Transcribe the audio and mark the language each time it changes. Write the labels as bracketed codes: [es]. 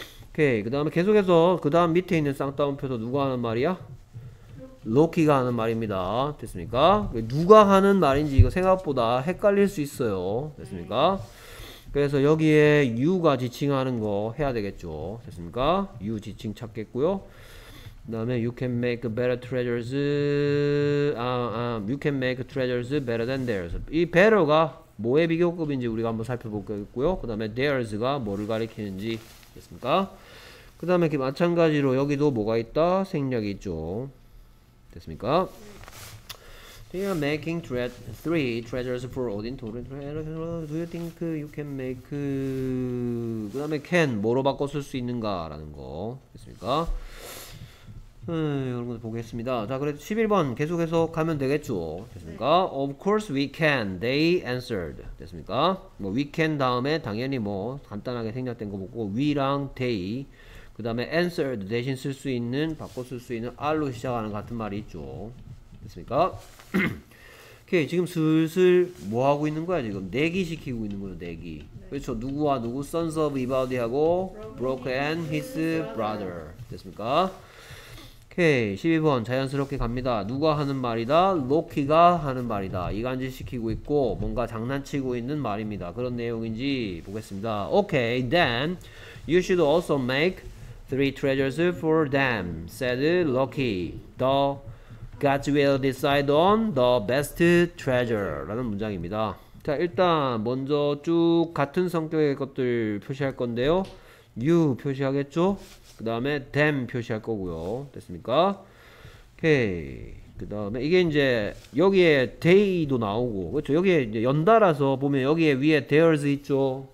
[ko] 오케이, 그 다음에 계속해서 그 다음 밑에 있는 쌍따옴표도 누가 하는 말이야? 로키가 하는 말입니다. 됐습니까? 누가 하는 말인지 이거 생각보다 헷갈릴 수 있어요. 됐습니까? 그래서 여기에 유가 지칭하는 거 해야 되겠죠. 됐습니까? 유 지칭 찾겠고요. [en] 그 다음에 you can make better treasures you can make treasures better than theirs. [ko] 이 better가 뭐의 비교급인지 우리가 한번 살펴보겠고요. 그 다음에 theirs가 뭐를 가리키는지 됐습니까? 그 다음에 마찬가지로 여기도 뭐가 있다? 생략이 있죠. 됐습니까? [en] They are making three treasures for Odin, Thor, and Frey. Do you think you can make... [ko] 그 다음에 can 뭐로 바꿔 쓸 수 있는가? 라는 거 됐습니까? 여러분들 보겠습니다. 자, 그래도 11번 계속해서 가면 되겠죠. 됐습니까? 네. [en] Of course we can. They answered. [ko] 됐습니까? 뭐 [en] we can [ko] 다음에 당연히 뭐 간단하게 생략된 거 보고 we랑 they 그 다음에 answered 대신 쓸 수 있는 바꿔 쓸 수 있는 r로 시작하는 같은 말이 있죠. 됐습니까? 오케이, 지금 슬슬 뭐 하고 있는 거야? 지금 내기 시키고 있는 거죠. 내기. 네. 그렇죠. 누구와 누구? [en] Sons of Ibaldi [ko] 하고 [en] Broke and his brother. [ko] 됐습니까? 오케이, 12번 자연스럽게 갑니다. 누가 하는 말이다? 로키가 하는 말이다. 이간질시키고 있고 뭔가 장난치고 있는 말입니다. 그런 내용인지 보겠습니다. [en] 오케이, then you should also make three treasures for them, said Loki. The gods will decide on the best treasure. [ko] 라는 문장입니다. 자, 일단 먼저 쭉 같은 성격의 것들 표시할 건데요. you 표시하겠죠? 그 다음에 them 표시할 거고요. 됐습니까? 오케이. 그 다음에 이게 이제 여기에 they도 나오고, 그렇죠? 여기에 이제 연달아서 보면 여기에 위에 theirs 있죠?